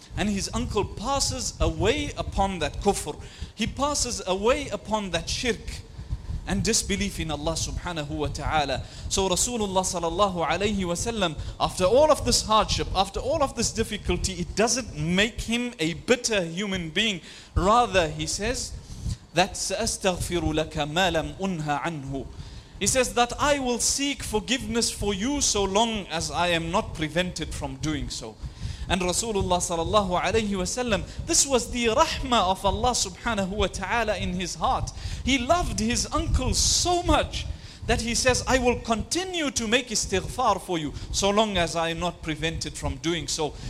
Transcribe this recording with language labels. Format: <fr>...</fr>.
<en>And his uncle passes away upon that kufr. He passes away upon that shirk and disbelief in Allah subhanahu wa ta'ala. So Rasulullah sallallahu alayhi wa sallam, after all of this hardship, after all of this difficulty, it doesn't make him a bitter human being. Rather, he says, that</en> <ar>سَأَسْتَغْفِرُ لَكَ مَا لَمْ أُنْهَ عَنْهُ.</ar> <en>He says that I will seek forgiveness for you so long as I am not prevented from doing so. And Rasulullah sallallahu alayhi wa sallam, this was the rahmah of Allah subhanahu wa ta'ala in his heart. He loved his uncle so much that he says, I will continue to make istighfar for you so long as I am not prevented from doing so.</en>